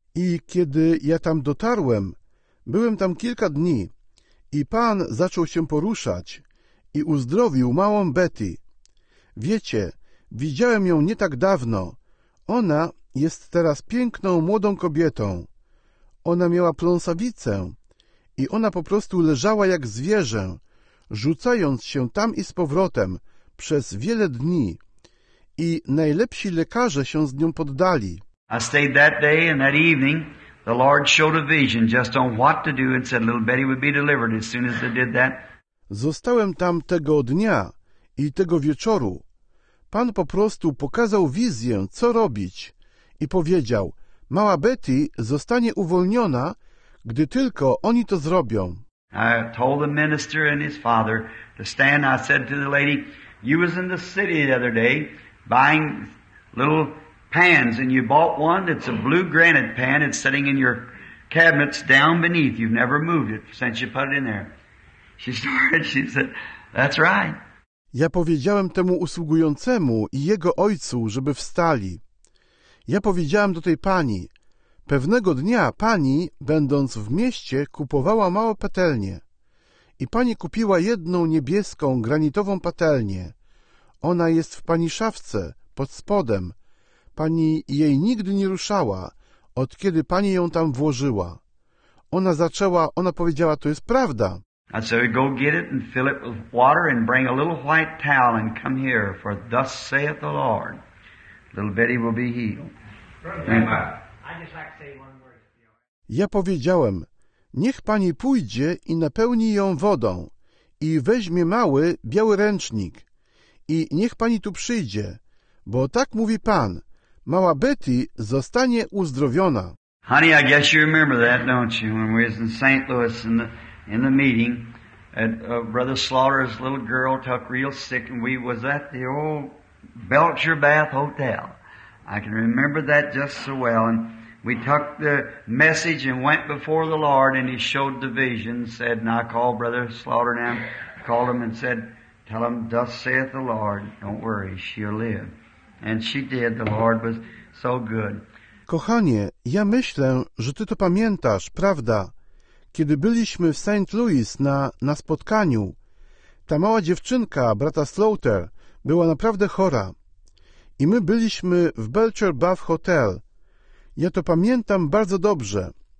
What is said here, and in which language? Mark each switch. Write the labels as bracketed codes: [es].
[pl] I kiedy ja tam dotarłem, byłem tam kilka dni. I Pan zaczął się poruszać i uzdrowił małą Betty. Wiecie, widziałem ją nie tak dawno. Ona jest teraz piękną, młodą kobietą. Ona miała pląsawicę i ona po prostu leżała jak zwierzę, rzucając się tam i z powrotem przez wiele dni. I najlepsi lekarze się z nią poddali. [en] I stayed that day, and that evening, the Lord showed a vision just on what to do and said little Betty would be delivered as soon as they did that. [pl] Zostałem tam tego dnia i tego wieczoru. Pan po prostu pokazał wizję, co robić i powiedział, mała Betty zostanie uwolniona, gdy tylko oni to zrobią. [en] I told the minister and his father to stand. I said to the lady, you was in the city the other day buying little pans and you bought one. It's a blue granite pan. It's sitting in your cabinets down beneath. You've never moved it since you put it in there. She said, that's right. [pl] Ja powiedziałem temu usługującemu i jego ojcu, żeby wstali. Ja powiedziałem do tej pani, pewnego dnia pani, będąc w mieście, kupowała małą patelnię. I pani kupiła jedną niebieską, granitową patelnię. Ona jest w pani szafce, pod spodem. Pani jej nigdy nie ruszała, od kiedy pani ją tam włożyła. Ona powiedziała, to jest prawda. [en] I said, go get it and fill it with water and bring a little white towel and come here, for thus saith the Lord. Little Betty will be healed. [pl] Ja powiedziałem, niech pani pójdzie i napełni ją wodą i weźmie mały, biały ręcznik i niech pani tu przyjdzie, bo tak mówi pan, mała Betty zostanie uzdrowiona. [en] Honey, I guess you remember that, don't you, when we was in St. Louis and in the meeting, at Brother Slaughter's little girl took real sick, and we was at the old Belcher Bath Hotel. I can remember that just so well. And we took the message and went before the Lord, and he showed the vision, said, and I called Brother Slaughter now, called him and said, tell him, thus saith the Lord, don't worry, she'll live. And she did, the Lord was so good. [pl] Kochanie, ja myślę, że ty to pamiętasz, prawda? Kiedy byliśmy w St. Louis na spotkaniu, ta mała dziewczynka, brata Slaughter, była naprawdę chora. I my byliśmy w Belcher Bath Hotel. Ja to pamiętam bardzo dobrze.